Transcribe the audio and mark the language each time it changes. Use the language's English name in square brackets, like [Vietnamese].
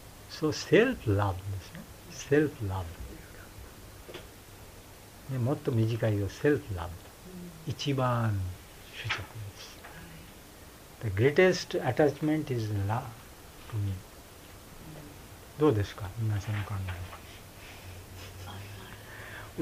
[Japanese] そう、セルフラブですね。セルフラブ。ね、もっと短いよ、セルフラブ。一番執着です。 [English] The greatest attachment is love to me. [Japanese] どうですか、皆さんの考え。